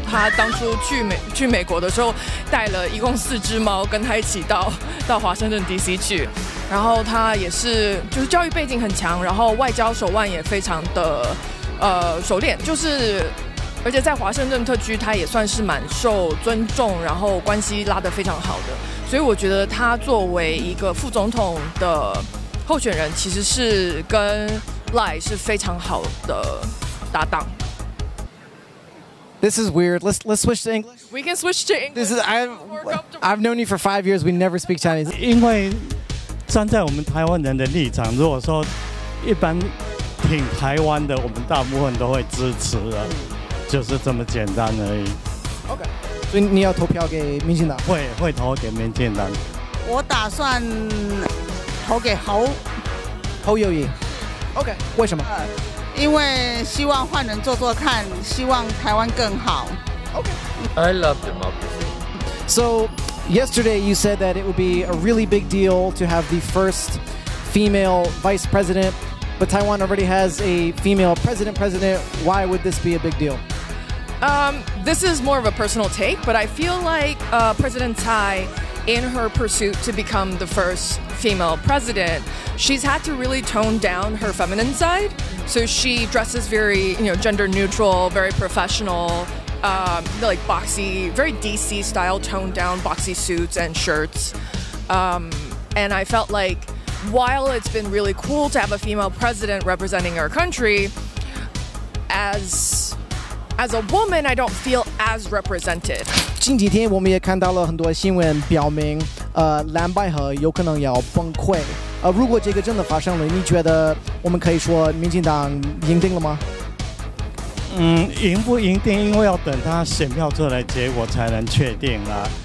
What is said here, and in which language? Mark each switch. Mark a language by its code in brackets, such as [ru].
[zh] 他当初去美国的时候带了一共四只猫跟他一起到华盛顿 DC 去，然后他也是就是教育背景很强，然后外交手腕也非常的熟练，就是而且在华盛顿特区他也算是蛮受尊重，然后关系拉得非常好的，所以我觉得他作为一个副总统的候选人其实是跟赖是非常好的搭档。 [en] This is weird. Let's switch to English. We can switch to English. This is, I've known you for 5 years. We never speak Chinese. [zh] 因为站在我们台湾人的立场，如果说一般挺台湾的，我们大部分都会支持的，就是这么简单而已。 OK， 所以你要投票给民进党？会投给民进党。我打算投给侯友宜。OK， 为什么？因为希望换人做做看，希望台湾更好。 OK， [en] I love democracy. So yesterday you said that it would be a really big deal to have the first female vice president. But Taiwan already has a female president. Why would this be a big deal? This is more of a personal take, but I feel like President Tsai, in her pursuit to become the first female president, she's had to really tone down her feminine side. So she dresses very, you know, gender neutral, very professional, like boxy, very DC style, toned down boxy suits and shirts. And I felt like,While it's been really cool to have a female president representing our country, as a woman, I don't feel as represented. [zh] 近几天我们也看到了很多新闻表明，蓝白河有可能要崩溃。如果这个真的发生了，你觉得我们可以说民进党赢定了吗？赢不赢定，因为要等他选票出来结果才能确定啦。